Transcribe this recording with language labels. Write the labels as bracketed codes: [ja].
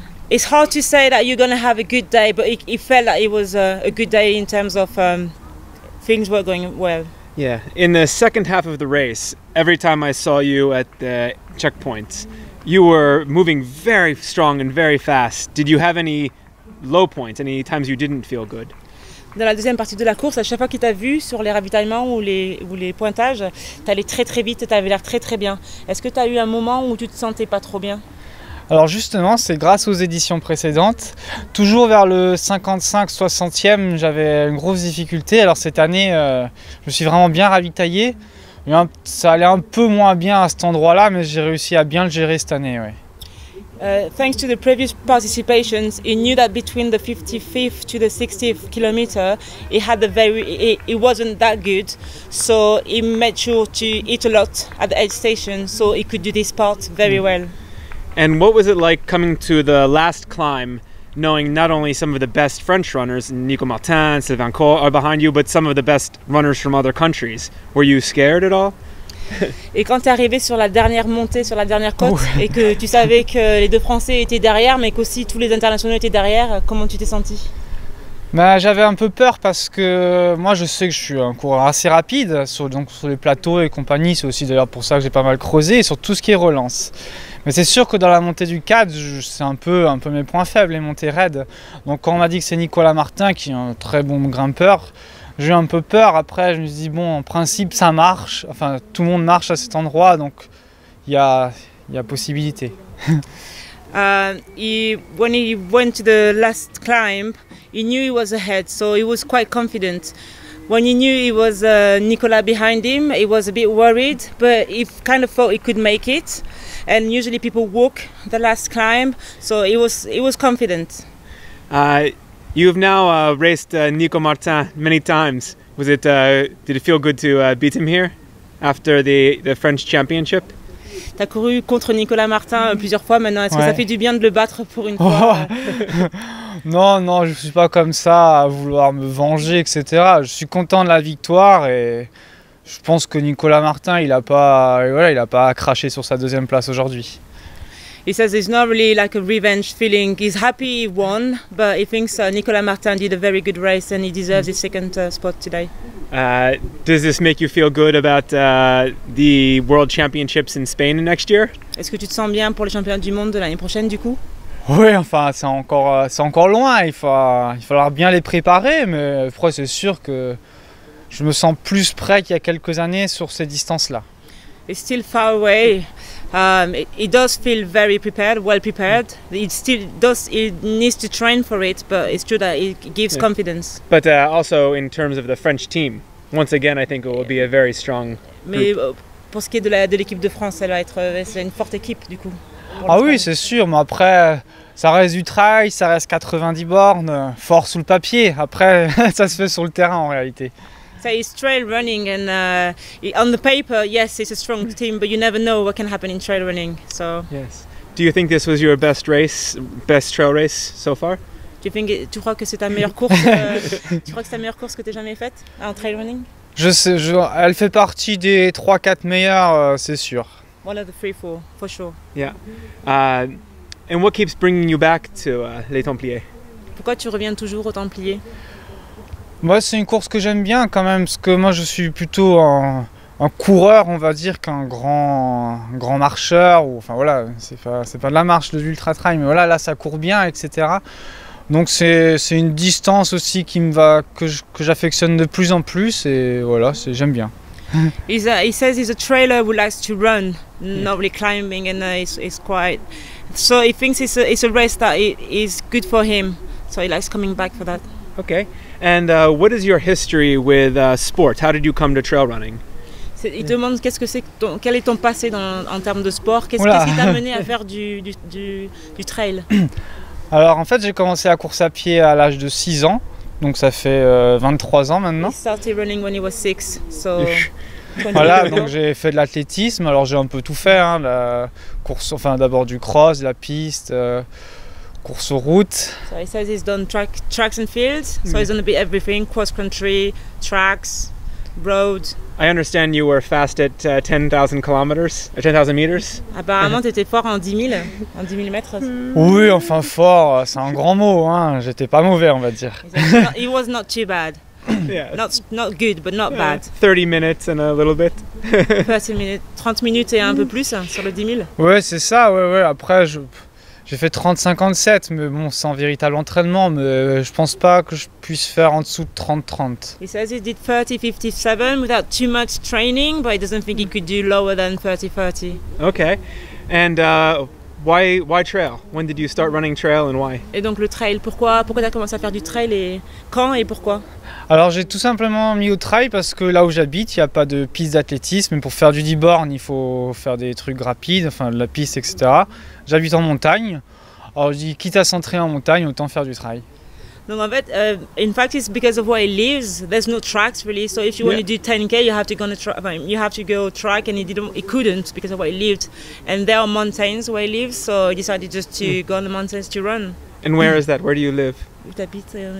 [en] It's hard to say that you're gonna have a good day, but he felt like it was a good day in terms of things were going well. Yeah, in the second half of the race, every time I saw you at the checkpoints, you were moving very strong and very fast. Did you have any low points, any times you didn't feel good? [fr] Dans la deuxième partie de la course, à chaque fois qu'il t'a vu sur les ravitaillements ou les pointages, t'allais très très vite, t'avais l'air très très bien. Est-ce que t'as eu un moment où tu te sentais pas trop bien? Alors justement, c'est grâce aux éditions précédentes. Toujours vers le 55-60e, j'avais une grosse difficulté. Alors cette année, je me suis vraiment bien ravitaillé. Ça allait un peu moins bien à cet endroit-là, mais j'ai réussi à bien le gérer cette année, ouais. [en] Thanks to the previous participations, he knew that between the 55th to the 60th kilometer, it wasn't that good. So he made sure to eat a lot at the aid station so he could do this part very well. And what was it like coming to the last climb, knowing not only some of the best French runners, Nico Martin, Sylvain Cor, are behind you, but some of the best runners from other countries? Were you scared at all? [fr] Et quand tu es arrivé sur la dernière montée, sur la dernière côte, ouais. Et que tu savais que les deux Français étaient derrière, mais qu'aussi tous les internationaux étaient derrière, comment tu t'es senti? Ben, j'avais un peu peur parce que moi je sais que je suis un coureur assez rapide, sur les plateaux et compagnie, c'est aussi d'ailleurs pour ça que j'ai pas mal creusé, et sur tout ce qui est relance. Mais c'est sûr que dans la montée du 4, c'est un peu mes points faibles, les montées raides. Donc quand on m'a dit que c'est Nicolas Martin qui est un très bon grimpeur, j'ai eu un peu peur, après je me suis dit bon, en principe ça marche, enfin tout le monde marche à cet endroit, donc il y a possibilité. [en] When he went to the last climb, he knew he was ahead, so he was quite confident. When he knew he was Nicolas behind him, he was a bit worried, but he kind of thought he could make it, and usually people walk the last climb, so he was confident. You've now raced Nico Martin many times. Did it feel good to beat him here after the French championship? [fr] T'as couru contre Nicolas Martin plusieurs fois maintenant. Est-ce que ça fait du bien de le battre pour une fois? Non, je suis pas comme ça à vouloir me venger, etc. Je suis content de la victoire et je pense que Nicolas Martin, il a pas craché sur sa deuxième place aujourd'hui. [en] He says it's not really like a revenge feeling. He's happy he won, but he thinks Nicolas Martin did a very good race and he deserves his second spot today. Does this make you feel good about the World Championships in Spain next year? [fr] Est-ce que tu te sens bien pour les championnats du monde de l'année prochaine du coup? Oui, enfin, c'est encore loin. Il faudra bien les préparer, mais après, c'est sûr que je me sens plus prêt qu'il y a quelques années sur ces distances-là. [en] It's still far away. It does feel very prepared, well prepared. It needs to train for it, but it's true that it gives confidence. But also in terms of the French team, once again, I think it will be a very strong group. [fr] Mais pour ce qui est de l'équipe de France, elle va être une forte équipe du coup. Ah oui, c'est sûr, mais après, ça reste du trail, ça reste 90 bornes, fort sous le papier. Après, ça se fait sur le terrain en réalité. [en] So it's trail running and on the paper, yes, it's a strong team, but you never know what can happen in trail running. So yes. Do you think this was your best trail race so far? [fr] Tu crois que c'est ta meilleure course tu crois que c'est ta meilleure course que tu as jamais faite en trail running? Je sais, elle fait partie des 3-4 meilleures, c'est sûr. [en] One of the 3-4, for sure. Yeah. And what keeps bringing you back to Les Templiers? [fr] Pourquoi tu reviens toujours aux Templiers? Moi, c'est une course que j'aime bien quand même, parce que moi, je suis plutôt un coureur, on va dire, qu'un grand marcheur. Ou, enfin, voilà, c'est pas de la marche, de l'ultra-trail, mais voilà, là, ça court bien, etc. Donc, c'est une distance aussi qui me va, que j'affectionne de plus en plus, et voilà, j'aime bien. [en] He says he's a trailer who likes to run, not really climbing, and it's quite... So, he thinks it's a race that is good for him, so he likes coming back for that. Okay. And what is your history with sports? How did you come to trail running? [fr] Il demande quel est ton passé en termes de sport. Qu'est-ce qui t'a mené à faire du trail? Alors en fait, j'ai commencé la course à pied à l'âge de 6 ans. Donc ça fait 23 ans maintenant. [en] He started running when he was 6. So [fr] voilà, donc j'ai fait de l'athlétisme. Alors j'ai un peu tout fait. Hein, la course, enfin d'abord du cross, la piste. Course aux routes. [en] So he says he's done tracks and fields. So he's gonna be everything: cross country, tracks, roads. I understand you were fast at 10,000 kilometers, 10,000 meters. [fr] Apparemment, t'étais fort en 10 000 mètres. Oui, enfin fort, c'est un grand mot, hein. J'étais pas mauvais, on va dire. [en] He was not too bad. Yeah. Not good, but not bad. 30 minutes and a little bit. [fr] 30 minutes et un peu plus sur le 10 000. Ouais, c'est ça. Ouais. Après, j'ai fait 30-57, mais bon, sans véritable entraînement, mais je pense pas que je puisse faire en dessous de 30-30. [en] He says he did 30-57 without too much training, but he doesn't think he could do lower than 30-30. Okay, and why trail? When did you start running trail and why? [fr] Et donc le trail, pourquoi t'as commencé à faire du trail et quand et pourquoi? Alors j'ai tout simplement mis au trail parce que là où j'habite, il n'y a pas de piste d'athlétisme. Pour faire du D-Born, il faut faire des trucs rapides, enfin de la piste, etc. J'habite en montagne. Alors je dis, quitte à s'entraîner en montagne, autant faire du trail. Non, en fait, [en] in fact, it's because of where he lives. There's no tracks really. So if you want to do 10K, you have to go track, and he couldn't because of where he lived. And there are mountains where he lives, so he decided just to go on the mountains to run. And where is that? Where do you live? [fr] Où t'habites